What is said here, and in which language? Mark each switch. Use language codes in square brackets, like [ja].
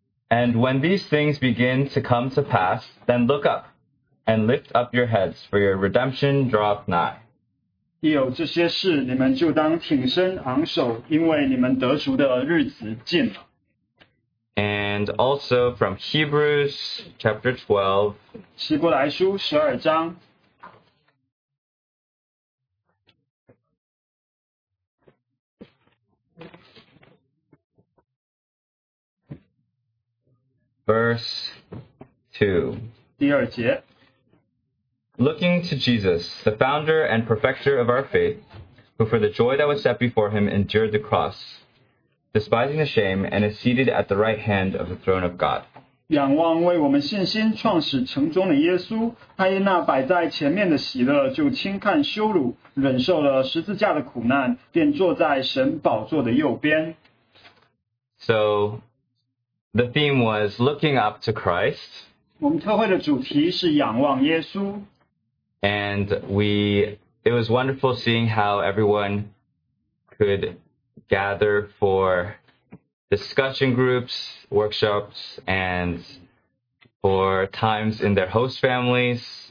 [en] And when these things begin to come to pass, then look up and lift up your heads, for your redemption draweth nigh. [zh] 有这些事, 你们就当挺身昂首, 因为你们得赎的日子近了。 [en] And also from Hebrews chapter 12. [zh] 希伯来书12章. [en] Verse 2. Looking to Jesus, the founder and perfecter of our faith, who for the joy that was set before him endured the cross, despising the shame, and is seated at the right hand of the throne of God. [zh] 仰望为我们信心创始成终的耶稣, 他因那摆在前面的喜乐, 就轻看羞辱, 忍受了十字架的苦难, 便坐在神宝座的右边。 [en] So, the theme was looking up to Christ. [zh] 我们特会的主题是仰望耶稣。 [en] And it was wonderful seeing how everyone could gather for discussion groups, workshops, and for times in their host families.